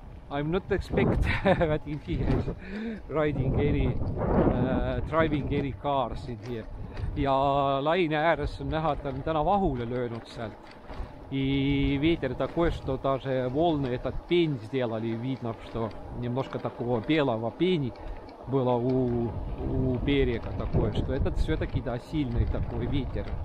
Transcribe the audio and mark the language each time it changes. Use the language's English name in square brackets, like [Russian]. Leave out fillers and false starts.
[English] I'm not expect that in here is riding any, driving any cars in here. [Estonian] Ja laine ääres on näha, et on täna vahule löönud sealt. [Russian] И ветер такой, что даже волны этот пень сделали, видно, что немножко такого белого пени было у берега такое, что этот все-таки да, сильный такой ветер.